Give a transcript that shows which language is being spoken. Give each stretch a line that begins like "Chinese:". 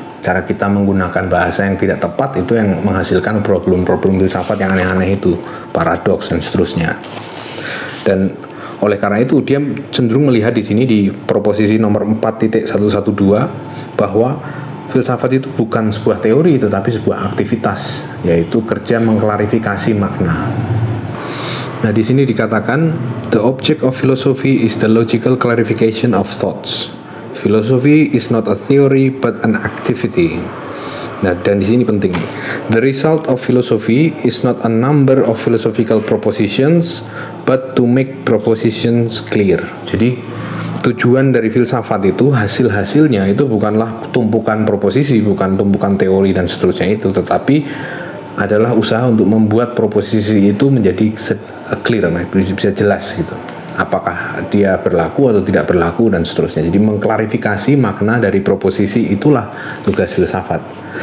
Indonesian: Cara kita menggunakan bahasa yang tidak tepat itu yang menghasilkan problem-problem filsafat yang aneh-aneh itu, paradoks dan seterusnya. Dan oleh karena itu dia cenderung melihat di sini di proposisi nomor 4.112 bahwa filsafat itu bukan sebuah teori tetapi sebuah aktivitas, yaitu kerja mengklarifikasi makna. Nah, di sini dikatakan
English: the object of philosophy is the logical clarification of thoughts. Philosophy is not a theory but an activity.
Indonesian: Nah, dan di sini penting.
English: The result of philosophy is not a number of philosophical propositions but to make propositions clear.
Indonesian: Jadi tujuan dari filsafat itu, hasil-hasilnya itu bukanlah tumpukan proposisi, bukan tumpukan teori dan seterusnya itu, tetapi adalah usaha untuk membuat proposisi itu menjadi clear, bisa jelas gitu. Apakah dia berlaku atau tidak berlaku dan seterusnya. Jadi mengklarifikasi makna dari proposisi itulah tugas filsafat.